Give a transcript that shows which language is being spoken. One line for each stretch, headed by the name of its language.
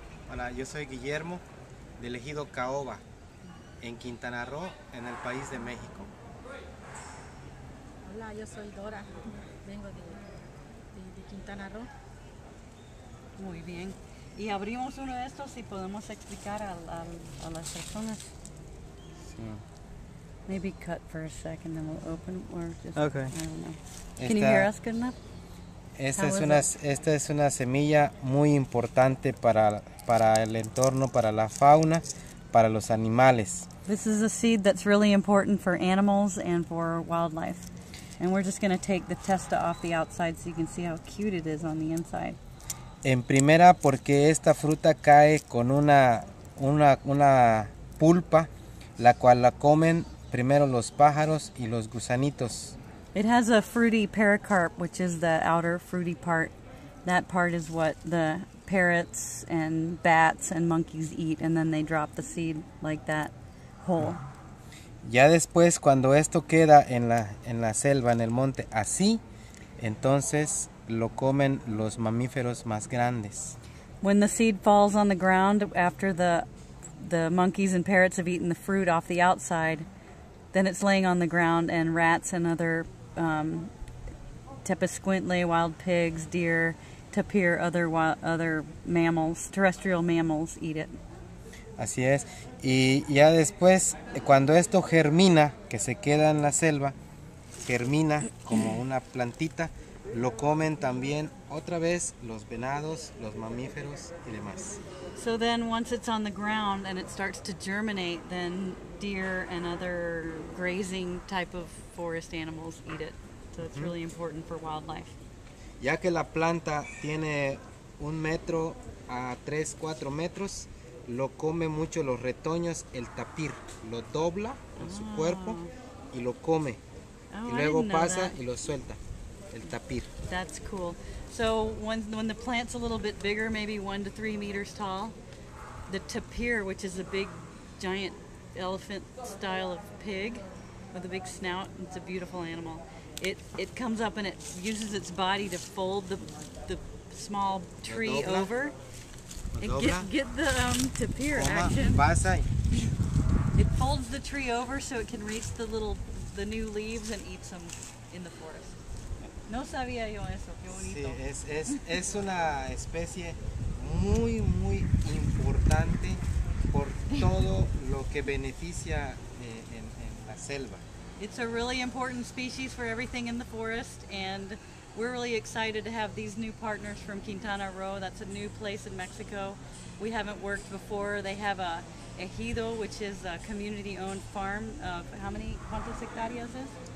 Spanish: Hola, yo soy Guillermo, del ejido Caoba, en Quintana Roo, en el país de México. Hola, yo soy Dora, vengo de Quintana Roo. Muy bien. Y abrimos uno de estos y podemos explicar a las personas. Sí.
English: Maybe cut for a second, then we'll open or just, okay. I don't know. Can you hear us good enough?
Spanish: Esta es una semilla muy importante para el entorno, para la fauna, para los animales.
English: This is a seed that's really important for animals and for wildlife. And we're just going to take the testa off the outside so you can see how cute it is on the inside.
Spanish: En primera, porque esta fruta cae con una pulpa, la cual la comen primero los pájaros y los gusanitos.
English: It has a fruity pericarp, which is the outer fruity part. That part is what the parrots and bats and monkeys eat, and then they drop the seed like that whole.
Spanish: Ya después, cuando esto queda en la selva, en el monte, así, entonces lo comen los mamíferos más grandes.
English: When the seed falls on the ground after the monkeys and parrots have eaten the fruit off the outside, then it's laying on the ground and rats and other tepesquintle, wild pigs, deer, tapir, other mammals, terrestrial mammals eat it.
Spanish: Así es. Y ya después, cuando esto germina, que se queda en la selva, germina como una plantita, lo comen también otra vez los venados, los mamíferos y demás.
English: So then once it's on the ground and it starts to germinate, then deer and other grazing type of forest animals eat it. So it's really important for wildlife.
Spanish: Ya que la planta tiene un metro a tres, cuatro metros, lo come mucho los retoños, el tapir. Lo dobla con su cuerpo y lo come. Oh, y luego pasa
English: that.
Spanish: Y lo suelta, el tapir.
English: That's cool. So when the plant's a little bit bigger, maybe 1 to 3 meters tall, the tapir, which is a big, giant elephant style of pig with a big snout, it's a beautiful animal. It comes up and it uses its body to fold the small tree
Spanish: dobla,
English: over. It get the tapir
Spanish: toma,
English: action.
Spanish: Pasa.
English: It folds the tree over so it can reach the new leaves and eats them in the forest.
Spanish: No sabía yo eso. Qué bonito. Sí, es una especie muy muy importante por todo lo que beneficia en la selva.
English: It's a really important species for everything in the forest, and we're really excited to have these new partners from Quintana Roo. That's a new place in Mexico. We haven't worked before. They have a ejido, which is a community-owned farm of how many,
Spanish: cuántas hectáreas es?